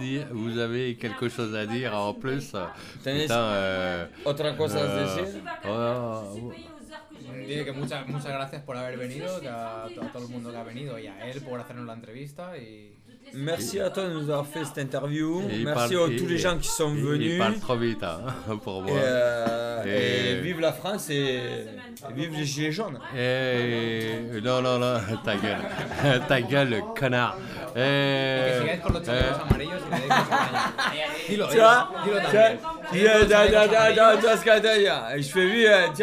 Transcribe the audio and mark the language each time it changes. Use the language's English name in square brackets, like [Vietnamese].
[French] Vous avez quelque chose à dire en plus. Tenez autre chose à dire. [Spanish] Dice que muchas gracias por haber venido, a todo el mundo que ha venido y a él por hacernos la entrevista y [French] merci à toi de nous avoir fait cette interview. Merci à tous les gens qui sont venus. Il parle trop vite, hein, pour moi. Et vive la France et vive les gilets jaunes. Non, ta gueule. Ta gueule, connard. Tu vois ce qu'il a dit.